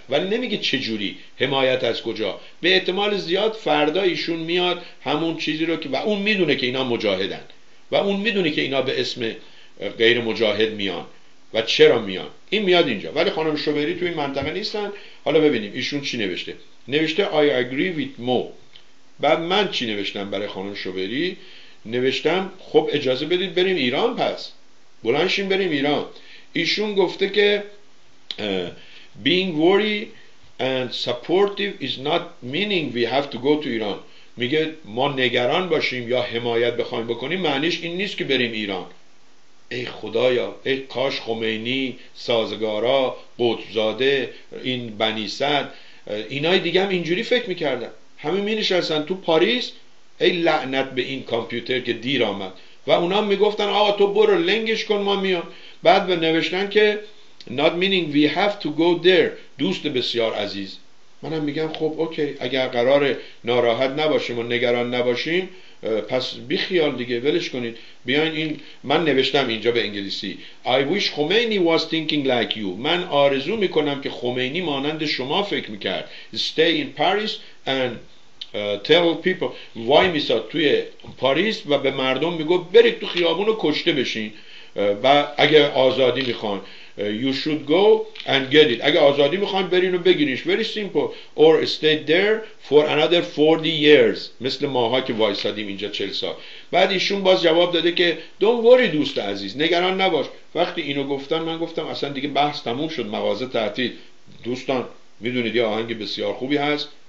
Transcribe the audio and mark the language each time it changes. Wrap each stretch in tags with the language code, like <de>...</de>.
<fa>ولی نمیگه چه جوری، حمایت از کجا. به احتمال زیاد فردا ایشون میاد همون چیزی رو که، و اون میدونه که اینا مجاهدن و اون میدونه که اینا به اسم غیر مجاهد میان و چرا میان، این میاد اینجا. ولی خانم شوبری تو این منطقه نیستن. حالا ببینیم ایشون چی نوشته. نوشته</fa> <en>I agree with Mo.</en> <fa>بعد من چی نوشتم برای خانم شوبری؟ نوشتم خب اجازه بدید بریم ایران، پس بلند شیم بریم ایران. ایشون گفته که</fa> <en>being worry and supportive is not meaning we have to go to Iran.</en> <fa>میگه ما نگران باشیم یا حمایت بخوایم بکنیم معنیش این نیست که بریم ایران. ای خدایا، ای کاش خمینی، سازگارا، قطبزاده، این بنی‌صدر، اینای دیگه هم اینجوری فکر میکردن. همه مینشستن تو پاریس، ای لعنت به این کامپیوتر که دیر آمد. و اونا میگفتن آقا تو برو لنگش کن ما میام. بعد به نوشتن که</fa> <en>not meaning we have to go there.</en> <fa>دوست بسیار عزیز. منم میگم خب اوکی، اگر قرار ناراحت نباشیم و نگران نباشیم پس بی خیال دیگه، ولش کنید بیاین. این من نوشتم اینجا به انگلیسی</fa> <en>I wish Khomeini was thinking like you.</en> <fa>من آرزو میکنم که خمینی مانند شما فکر میکرد.</fa> <en>Stay in Paris and tell people why</en> <fa>میساد توی پاریس و به مردم میگو برید تو خیابون رو کشته بشین و اگه آزادی میخوان</fa> <en>you should go and get it.</en> <fa>اگه آزادی میخوان برین و بگیرینش.</fa> <en>Very simple. Or stay there for another 40 years.</en> <fa>مثل ماها که وایسادیم اینجا 40 سال. بعد ایشون باز جواب داده که</fa> <en>don't worry</en> <fa>دوست عزیز. نگران نباش. وقتی اینو گفتم من گفتم اصلا دیگه بحث تموم شد. مغازه تعطیل. دوستان میدونید یه آهنگ بسیار خوبی هست.</fa>